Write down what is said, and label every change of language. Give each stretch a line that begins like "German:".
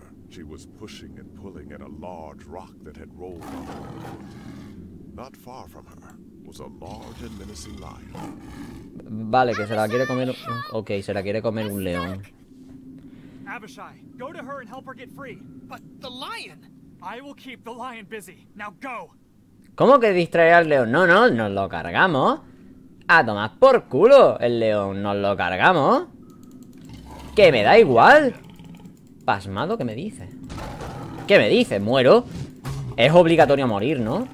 English: She was pushing and pulling at a large rock that had rolled on the ground. Not far from her was a large and menacing lion.
Spanish: Vale, que se la quiere comer. Okay, se la quiere comer un león.
English: Abishai, go to her and help her get free. But the lion. I will keep the lion busy. Now go.
Spanish: ¿Cómo que distraer al león? No, no, nos lo cargamos. A tomar por culo el león, nos lo cargamos. Que me da igual. Pasmado, ¿qué me dice? ¿Qué me dice? ¿Muero? Es obligatorio morir, ¿no?